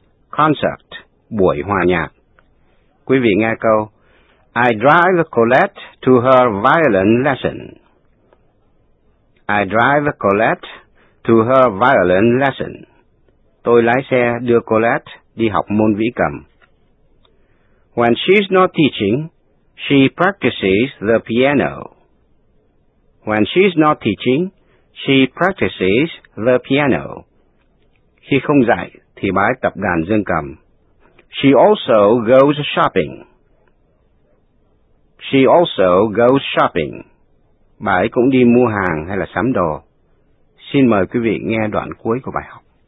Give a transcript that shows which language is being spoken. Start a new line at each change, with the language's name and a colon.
Vietnamese: Concert, buổi hòa nhạc. Quý vị nghe câu.
English: I drive Colette to her violin lesson. I drive Colette to her violin lesson.
Vietnamese: Tôi lái xe đưa Colette đi học môn vĩ cầm.
English: When she's not teaching, she practices the piano. When she's not teaching, she practices the piano.
Vietnamese: Khi không dạy, thì bà ấy tập đàn dương cầm.
English: She also goes shopping. She also goes shopping.
Vietnamese: Bà ấy cũng đi mua hàng hay là sắm đồ. Xin mời quý vị nghe đoạn cuối của bài học.